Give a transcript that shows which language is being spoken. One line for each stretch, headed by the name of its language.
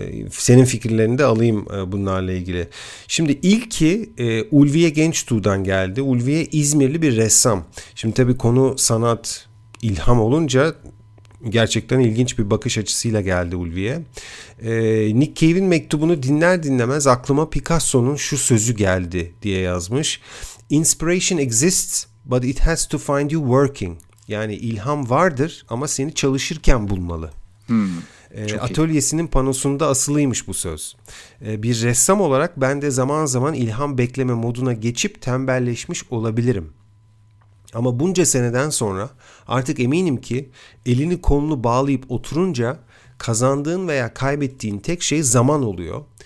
Turkish: Senin fikirlerini de alayım bunlarla ilgili. Şimdi ilki Ulviye Gençtuğ'dan geldi. Ulviye İzmirli bir ressam. Şimdi tabii konu sanat, İlham olunca gerçekten ilginç bir bakış açısıyla geldi Ulvi'ye. Nick Cave'in mektubunu dinler dinlemez aklıma Picasso'nun şu sözü geldi diye yazmış.
English: Inspiration exists but it has to find you working.
Turkish: Yani ilham vardır ama seni çalışırken bulmalı. Atölyesinin panosunda asılıymış bu söz. Bir ressam olarak ben de zaman zaman ilham bekleme moduna geçip tembelleşmiş olabilirim. Ama bunca seneden sonra artık eminim ki elini kolunu bağlayıp oturunca kazandığın veya kaybettiğin tek şey zaman oluyor.